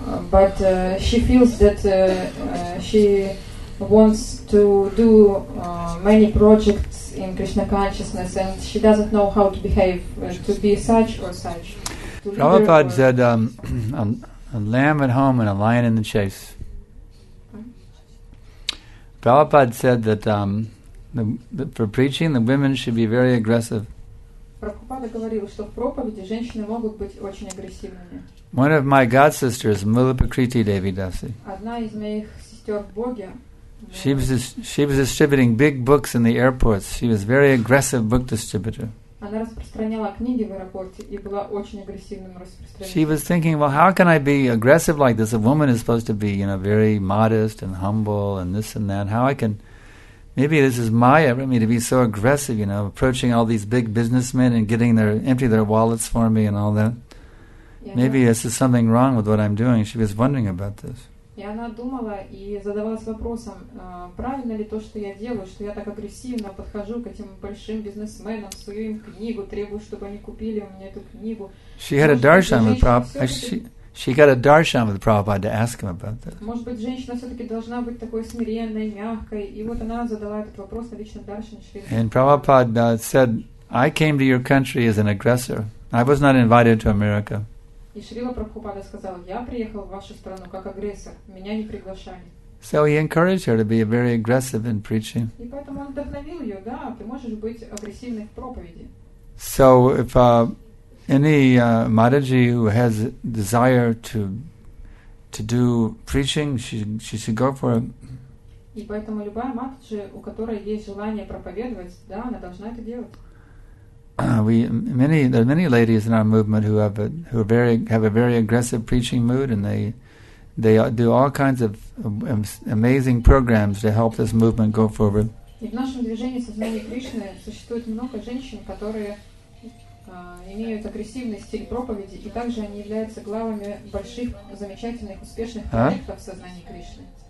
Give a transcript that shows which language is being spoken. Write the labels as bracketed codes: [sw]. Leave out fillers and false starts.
[en] But she feels that she wants to do many projects in Krishna consciousness, and she doesn't know how to behave, to be such or such. Prabhupada said, a lamb at home and a lion in the chase. Prabhupada said that For preaching, the women should be very aggressive. [ru] Прабхупада говорил, что в проповеди женщины могут быть очень агрессивными. [en] One of my god sisters, Mulapakriti Devidasi. [ru] Одна из моих сестер в Боге. [en] She was distributing big books in the airports. She was a very aggressive book distributor. [ru] Она распространяла книги в аэропорте и была очень агрессивным распространителем. [en] She was thinking, well, how can I be aggressive like this? A woman is supposed to be, you know, very modest and humble and this and that. How I can? Maybe this is Maya for me to be so aggressive, you know, approaching all these big businessmen and getting their empty their wallets for me and all that. Maybe this is something wrong with what I'm doing. She was wondering about this. [ru] И она думала и задавалась вопросом, правильно ли то, что я делаю, что я так агрессивно подхожу к этим большим бизнесменам, сую им книгу, требую, чтобы они купили у меня эту книгу. [en] She had a darshan with Prabhupada. She got a darshan with Prabhupada to ask him about that. [ru] Может быть, женщина все-таки должна быть такой смиренной, мягкой, и вот она задала этот вопрос на личном даршане. [en] And Prabhupada said, I came to your country as an aggressor. I was not invited to America. [ru] И Шрила Прабхупада сказал, я приехал в вашу страну как агрессор, меня не приглашали. [en] So he encouraged her to be very aggressive in preaching. [ru] И поэтому он вдохновил ее, да, ты можешь быть агрессивной в проповеди. [en] So if any Mataji who has desire to do preaching, she should go for it. [ru] И поэтому любая Мататжи, у которой есть желание проповедовать, да, она должна это делать. [en] There are many ladies in our movement who have a very aggressive preaching mood, and they do all kinds of amazing programs to help this movement go forward. [ru] И в нашем движении сознания Кришны существует много женщин, которые имеют агрессивный стиль проповеди, и также они являются главами больших замечательных успешных проектов сознания Кришны.